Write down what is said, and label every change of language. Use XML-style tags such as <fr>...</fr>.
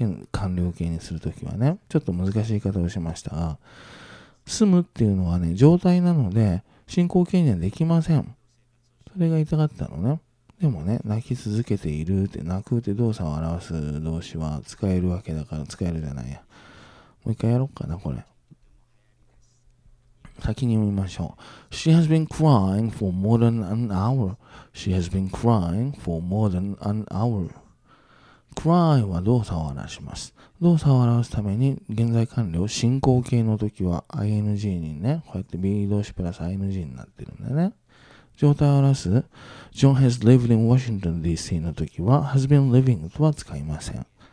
<ja>完了形にするときはね、ちょっと難しい言い方をしましたが、住むっていうのはね、状態なので、進行形にはできません。それが痛かったのね。でもね、泣き続けているって、泣くって動作を表す動詞は使えるわけだから、使えるじゃないや。もう一回やろうかな、これ。先に読みましょう。</ja> <en>She has been crying for more than an hour. She has been crying for more than an hour.</en> <ja>cry は動作を表します。動作を表すために、現在完了、進行形の時は ing にね、こうやって be 動詞プラス ing になってるんだね。状態を表す、</ja> <en>John has lived in Washington DC</en> <ja>の時は、</ja> <en>has been living</en> <ja>とは使いません。</ja>